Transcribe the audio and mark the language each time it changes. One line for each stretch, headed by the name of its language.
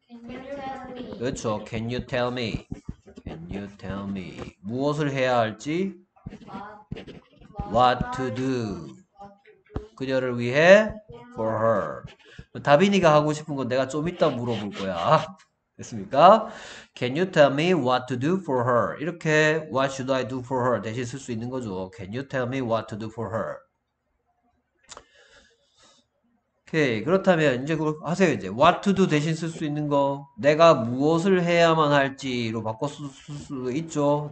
English: Can
Korean: 그렇죠.
English: Can you tell me? Can you tell me?
Korean: 무엇을 해야 할지.
English: What to do?
Korean: 그녀를 위해
English: for her.
Korean: 다빈이가 하고 싶은 건 내가 좀 이따 물어볼 거야. 됐습니까?
English: Can you tell me what to do for her?
Korean: 이렇게
English: what should I do for her?
Korean: 대신 쓸수 있는 거죠.
English: Can you tell me what to do for her?
Korean: 오케이. 그렇다면 이제 그 하세요. 이제
English: what to do
Korean: 대신 쓸수 있는 거. 내가 무엇을 해야만 할지로 바꿔 쓸 수도 있죠.